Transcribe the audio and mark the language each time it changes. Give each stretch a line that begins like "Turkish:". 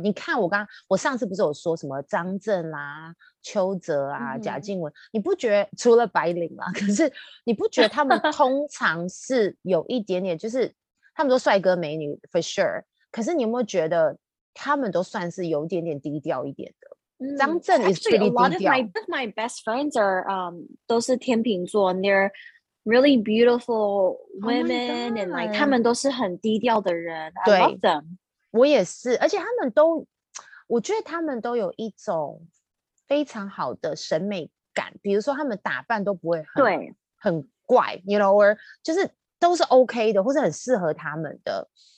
Chinese: 你看我刚我上次不是有说什么张震啦、啊、邱泽啊、mm-hmm. 贾静雯？你不觉得除了白领啦、啊，可是你不觉得他们通常是有一点点，就是他们都帅哥美女 for sure。可是你有没有觉得他们都算是有点点低调一点的？张震也是低调。
English: Actually, a lot of my best friends are 都是天秤座，and they're really beautiful women，and、 oh、
Chinese: like 他们都是很低调的人。对
English: I love them.
Chinese: 我也是，而且他们都，我觉得他们都有一种非常好的审美感，比如说他们打扮都不会很对很怪 ，you know， or 就是都是 OK 的，或是很适合他们的。